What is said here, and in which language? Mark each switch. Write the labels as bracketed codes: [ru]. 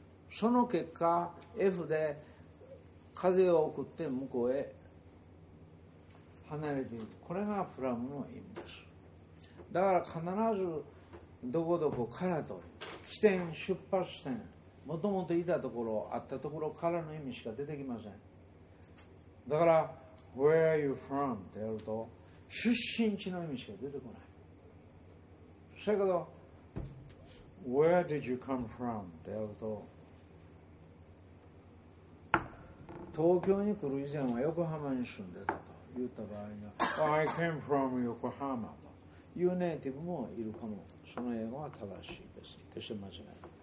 [ja] その結果 F で風を送って向こうへ離れていく、これがフラムの意味です。だから必ずどこどこからと起点、出発点、もともといたところ、あったところからの意味しか出てきません。だから、 [en] Where are you from? [ja] ってやると、出身地の意味しか出てこない。それから、 [en] Where did you come from? [ja] ってやると、東京に来る以前は横浜に住んでたと言った場合には、 [en] I came from [ja] 横浜というネイティブもいるかも。その英語は正しいです。決して間違いない。